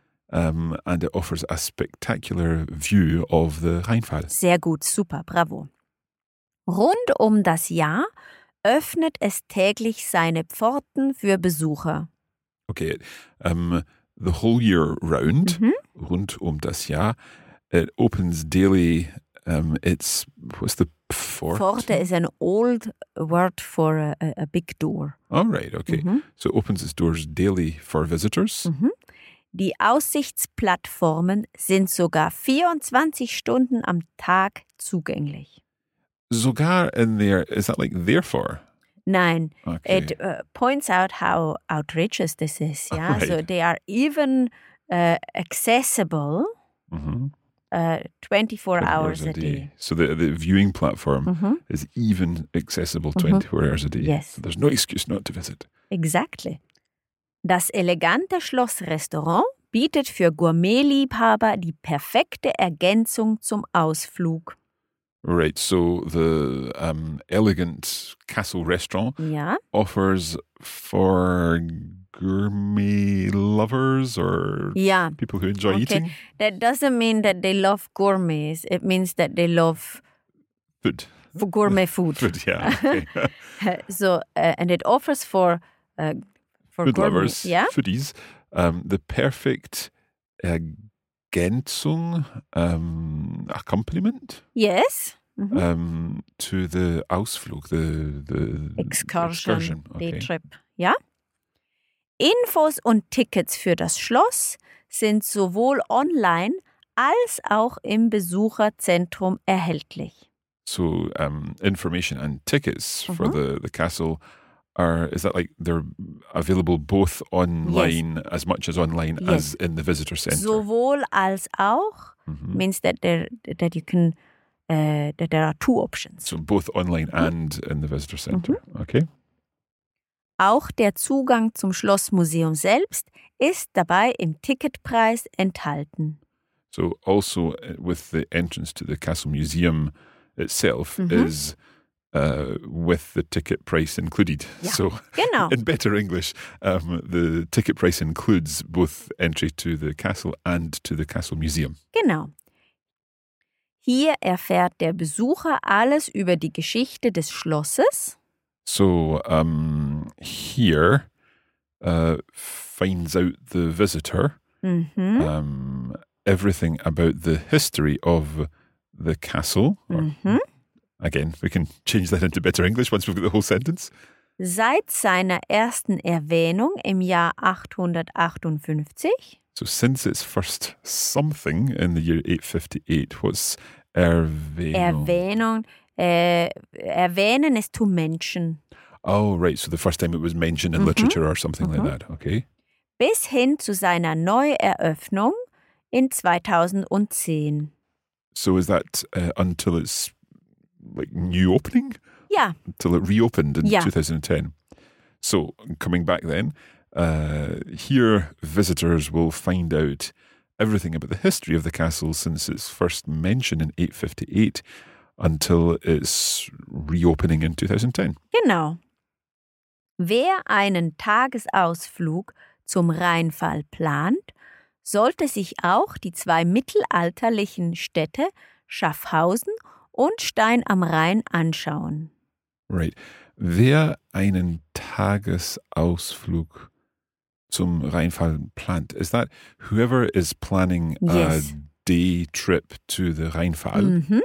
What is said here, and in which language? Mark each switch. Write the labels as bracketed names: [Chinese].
[English] And it offers a spectacular view of the Rheinfall. [German] Sehr gut, super, bravo. Rund um das Jahr öffnet es täglich seine Pforten für Besucher. [English] Okay, the whole year round, [German] rund um das Jahr, [English] it opens daily, it's, what's the Pforte? Pforte is an old word for a big door. All right, okay. So it opens its doors daily for visitors. [German] Die Aussichtsplattformen sind sogar 24 Stunden am Tag zugänglich. [English] Sogar in there, is that like therefore? [German] Nein, [English] okay. It points out how outrageous this is. Yeah, right. So they are even accessible 24 hours a day. So the viewing platform is even accessible 24 hours a day. Yes. So there's no excuse not to visit. Exactly. [German] Das elegante Schlossrestaurant bietet für Gourmetliebhaber die perfekte Ergänzung zum Ausflug. [English] Right, so the elegant castle restaurant offers for gourmet lovers or people who enjoy eating. That doesn't mean that they love gourmets. It means that they love food. For gourmet food. Food, yeah. So, and it offers for food lovers, foodies, the perfect ergänzung, accompaniment. Yes. To the Ausflug, the excursion. Okay. The trip, yeah. [German] Infos und Tickets für das Schloss sind sowohl online als auch im Besucherzentrum erhältlich. [English] So information and tickets for the castle are, is that like they're available both online as much as online as in the visitor center? [German] Sowohl als auch [English] means that you can that there are two options. So both online and in the visitor center. Okay. [German] Auch der Zugang zum Schlossmuseum selbst ist dabei im Ticketpreis enthalten. [English] So also with the entrance to the castle museum itself is with the ticket price included. [German] Ja, so genau. [English] In better English, the ticket price includes both entry to the castle and to the castle museum. [German] Genau. Hier erfährt der Besucher alles über die Geschichte des Schlosses. [English] So, here finds out the visitor everything about the history of the castle. Again, we can change that into better English once we've got the whole sentence. [German] Seit seiner ersten Erwähnung im Jahr 858. [English] So, since its first something in the year 858, what's Erwähnung. [German] Erwähnen ist [English] to mention. Oh, right. So the first time it was mentioned in literature or something like that. Okay. [German] Bis hin zu seiner Neueröffnung in 2010. [English] So is that until its like new opening? Yeah. Until it reopened in 2010. So coming back then, here visitors will find out everything about the history of the castle since its first mention in 858 until its reopening in 2010. [German] Genau. Wer einen Tagesausflug zum Rheinfall plant, sollte sich auch die zwei mittelalterlichen Städte Schaffhausen und Stein am Rhein anschauen. [English] Right. [German] Wer einen Tagesausflug zum Rheinfall plant, [English] is that whoever is planning a day trip to the Rheinfall,